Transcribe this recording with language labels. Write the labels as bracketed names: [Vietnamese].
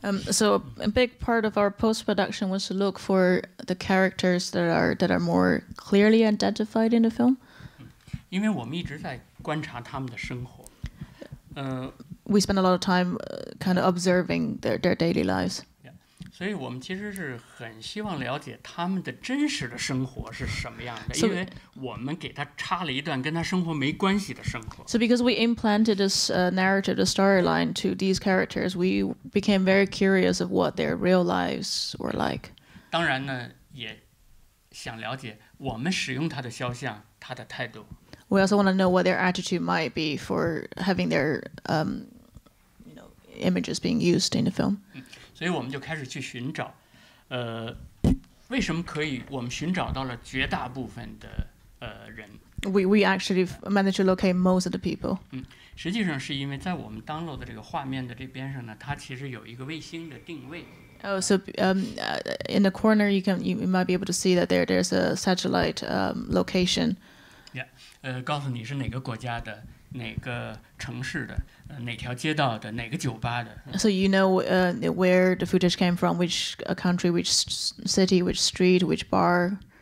[English] So a big part of our post-production was to look for the characters that are more clearly identified in the film. [Chinese] 因为我们一直在观察他们的生活。 [English] We spend a lot of time kind of observing their daily lives. [Chinese] 所以我们其实是很希望了解他们的真实的生活是什么样的，因为我们给他插了一段跟他生活没关系的生活。 [English] So because we implanted this narrative, a storyline to these characters, we became very curious of what their real lives were like. [Chinese] 当然呢，也想了解我们使用他的肖像，他的态度。 [English] We also want to know what their attitude might be for having their images being used in the film. [Chinese] 所以我们就开始去寻找，为什么可以？我们寻找到了绝大部分的人。 [English] We actually managed to locate most of the people. [Chinese] 实际上是因为在我们download的这个画面的这边上呢，它其实有一个卫星的定位。 [English] Oh, so in the corner, you might be able to see that there's a satellite location. [Chinese] Yeah, 告诉你是哪个国家的。哪个城市的，哪条街道的，哪个酒吧的。 [English] So you know where the footage came from, which country, which city, which street, which bar.